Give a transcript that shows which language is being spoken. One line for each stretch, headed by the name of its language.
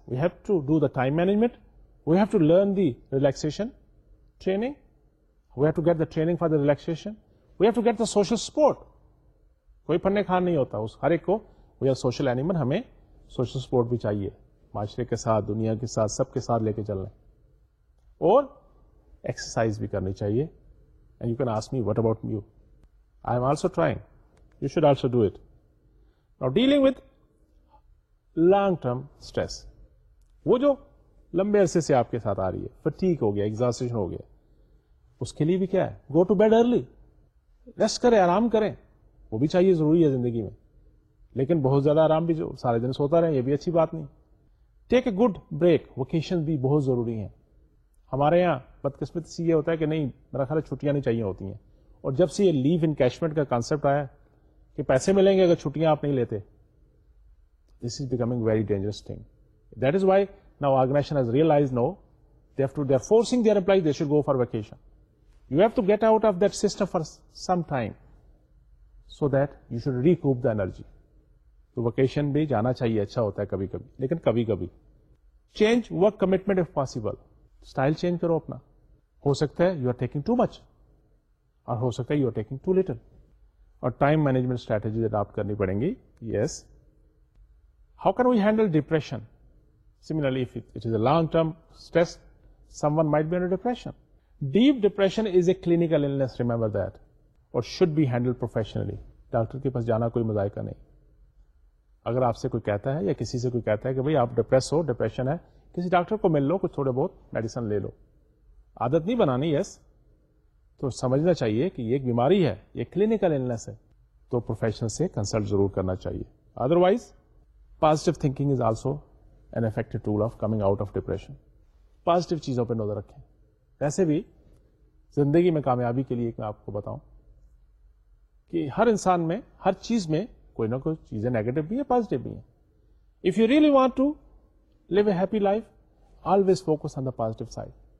English: We have to do the time management, we have to learn the relaxation training, we have to get the training for the relaxation, we have to get the social support.
Urdu: کوئی پھنے کھان نہیں ہوتا اس ہر ایک کو,
English: we are social animal,
Urdu: ہمیں social support بھی چاہیے, معاشرے کے ساتھ, دنیا کے ساتھ, سب کے ساتھ لے کے چلنا, اور ایکسرسائز بھی کرنی چاہیے.
English: And you can ask me what about you, I am also trying, you should also do it. Now dealing with long term stress,
Urdu: وہ جو لمبے عرصے سے آپ کے ساتھ آ رہی ہے, فٹیک ہو گیا, ایگزاسٹریشن ہو گیا, اس کے لیے بھی کیا ہے,
English: go to bed early,
Urdu: rest کریں, آرام کریں, وہ بھی چاہیے, ضروری ہے زندگی میں. لیکن بہت زیادہ آرام بھی جو سارے دن سوتا رہے یہ بھی اچھی بات نہیں.
English: take a good break,
Urdu: ویکیشن بھی بہت ضروری ہیں. ہمارے یہاں بدقسمتی سے یہ ہوتا ہے کہ نہیں, میرا خیال ہے چھٹیاں نہیں چاہیے ہوتی ہیں. اور جب سے یہ لیو انکیشمنٹ کا کانسیپٹ آیا کہ پیسے ملیں گے اگر چھٹیاں آپ نہیں لیتے,
English: This is becoming very dangerous thing. That is why now organization has realize no they have to, they are forcing their employees they should go for vacation. You have to get out of that system for some time so that you should recoup the energy.
Urdu: تو vacation بھی جانا چاہیے, اچھا ہوتا ہے کبھی کبھی, لیکن کبھی کبھی.
English: change work commitment if possible,
Urdu: style change کرو اپنا. ہو سکتا ہے
English: you are taking too much,
Urdu: اور ہو سکتا ہے
English: You are taking too little.
Urdu: اور ٹائم مینجمنٹ اسٹریٹجیز اڈاپٹ کرنی پڑیں گی.
English: Yes, how can we handle depression similarly, if it is a long term stress, someone might be under depression. Deep depression is a clinical illness, remember that, اور should be handle professionally.
Urdu: Doctor کے پاس جانا کوئی مذائقہ نہیں. اگر آپ سے کوئی کہتا ہے یا کسی سے کوئی کہتا ہے کہ بھئی آپ ڈپریس ہو, ڈپریشن ہے, کسی ڈاکٹر کو مل لو, کچھ تھوڑے بہت میڈیسن لے لو, عادت نہیں بنانی. یس, تو سمجھنا چاہیے کہ یہ ایک بیماری ہے, یہ کلینیکل ایلنس ہے, تو پروفیشنل سے کنسلٹ ضرور کرنا چاہیے.
English: Otherwise positive thinking is also an effective tool of coming out of depression.
Urdu: Positive چیزوں پہ نظر رکھیں. ویسے بھی زندگی میں کامیابی کے لیے میں آپ کو بتاؤں کہ ہر انسان میں, ہر چیز میں کوئی نہ کوئی چیزیں نیگیٹو بھی ہیں, پازیٹیو بھی ہیں.
English: If you really want to live a happy life, always focus on the positive side.